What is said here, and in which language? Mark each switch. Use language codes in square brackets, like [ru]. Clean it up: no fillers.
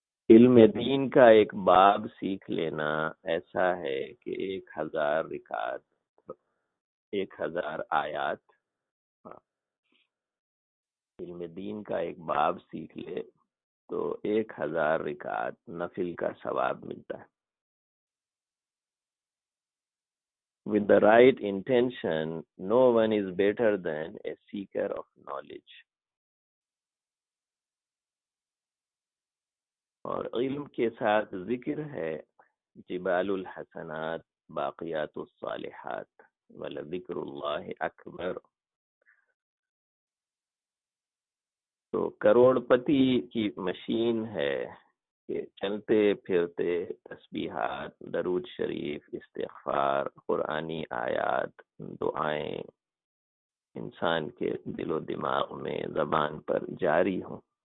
[ur] علم دین کا ایک باب سیکھ لینا ایسا ہے کہ 1000 رکعت, 1000 آیات. علم دین کا ایک باب سیکھ لے تو 1000 رکعت نفل کا ثواب ملتا ہے. [en] With the right intention, no one is better than a seeker of knowledge. [ur] اور علم کے ساتھ ذکر ہے, [ar] جبال الحسنات باقیات الصالحات ولذکر اللہ اکبر. [ur] تو کروڑ پتی کی مشین ہے چلتے پھرتے تسبیحات، درود شریف، استغفار، قرآنی آیات، دعائیں انسان کے دل و دماغ میں، زبان پر جاری ہوں.